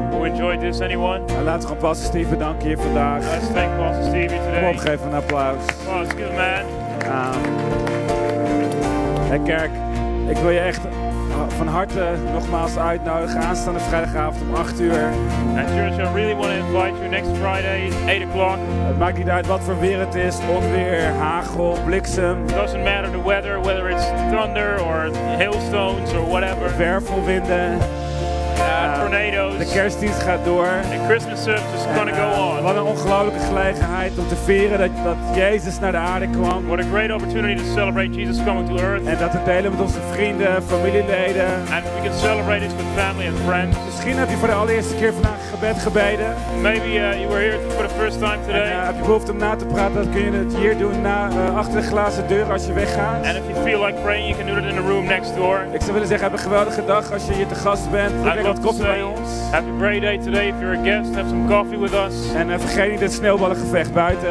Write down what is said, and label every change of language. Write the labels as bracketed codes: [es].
[en] Enjoyed this, anyone? [nl] En laten we gewoon Pastor Steve bedanken hier vandaag. [en] Let's thank Pastor Steve today. [nl] Kom op, geef een applaus. [en] Oh, it's good, man. [nl] Hey, kerk, ik wil je echt van harte nogmaals uitnodigen aanstaande vrijdagavond om 8 uur. [en] And church, I really want to invite you next Friday, 8 o'clock. [nl] Het maakt niet uit wat voor weer het is, onweer, hagel, bliksem. [en] It doesn't matter the weather, whether it's thunder or hailstones or whatever. [nl] Wervelwinden. [en] Tornadoes. [nl] De kerstdienst gaat door. [en] The Christmas service is gonna go on. [nl] Wat een ongelooflijke gelegenheid om te vieren dat Jezus naar de aarde kwam. [en] What a great opportunity to celebrate Jesus coming to earth. [nl] En dat te delen met onze vrienden, familieleden. [en] And we can celebrate it with family and friends. [nl] Misschien heb je voor de allereerste keer vandaag gebed gebeden. [en] Maybe you were here for the first time today. [nl] En heb je behoefte om na te praten, dan kun je het hier doen achter de glazen deur als je weggaat. [en] And if you feel like praying, you can do it in the room next door. [nl] Ik zou willen zeggen, heb een geweldige dag als je hier te gast bent. [en] Have a great day today if you're a guest. Have some coffee with us. [nl] En vergeet niet het sneeuwballengevecht buiten.